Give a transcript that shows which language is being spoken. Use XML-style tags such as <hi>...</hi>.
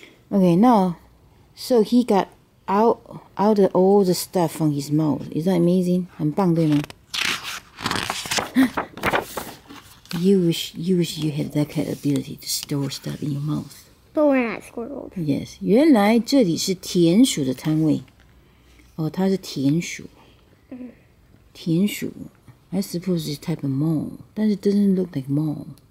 <en>Okay, now, so he got out of all the stuff from his mouth. Is that amazing?</en> <zh>很棒对吗</zh> <en>You wish you had that kind of ability to store stuff in your mouth. But we're not squirrels. Yes.</en> <zh>原来这里是田鼠的摊位。哦，它是田鼠。田鼠。</zh> <en>I suppose it's type of mole, but it doesn't look like mole.</en>